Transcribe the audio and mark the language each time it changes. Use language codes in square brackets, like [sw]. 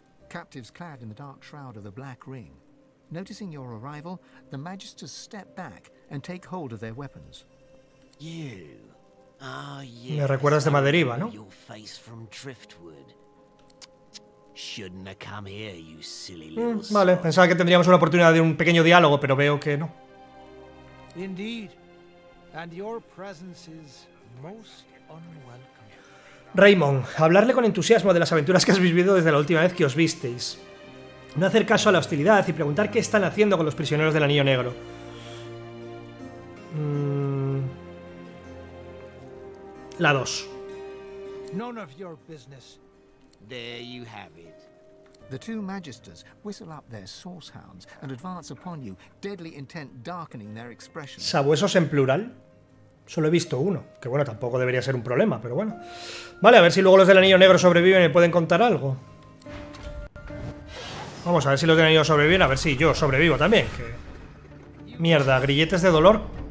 [en] Captives clad in the dark shroud of the Black Ring. Noticing your arrival, the magisters step back and take hold of their weapons. You. Ah, yes. [es] Me recuerdas de Maderiva, ¿no? [en] Your face from Driftwood. Shouldn't have come here, you silly little son. [es] Vale, pensaba que tendríamos una oportunidad de un pequeño diálogo, pero veo que no. [en] Indeed. And your presence is most... [es] Raymond, hablarle con entusiasmo de las aventuras que has vivido desde la última vez que os visteis. No hacer caso a la hostilidad y preguntar qué están haciendo con los prisioneros del Anillo Negro. La 2. [en] None of your business. There you have it. The two magisters whistle up their source hounds and advance upon you, deadly intent darkening their expressions. [es] ¿Sabuesos en plural? Solo he visto uno, que bueno, tampoco debería ser un problema, pero bueno. Vale, a ver si luego los del Anillo Negro sobreviven y pueden contar algo. Vamos a ver si los del Anillo sobreviven, a ver si yo sobrevivo también. Que... Mierda, grilletes de dolor.